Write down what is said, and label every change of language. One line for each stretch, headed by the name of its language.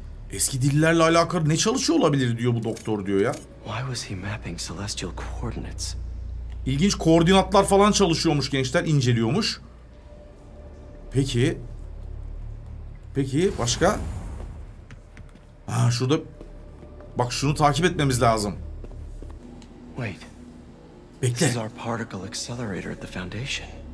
Turkish: Eski dillerle alakalı ne çalışıyor olabilir diyor bu doktor diyor ya.
English: Why was he mapping celestial coordinates?
Turkish: İlginç koordinatlar falan çalışıyormuş gençler inceliyormuş. Peki. Peki başka? Ha şurada. Bak şunu takip etmemiz lazım.
English: Wait.
Turkish: Bekle.
English: This is our particle accelerator at the foundation.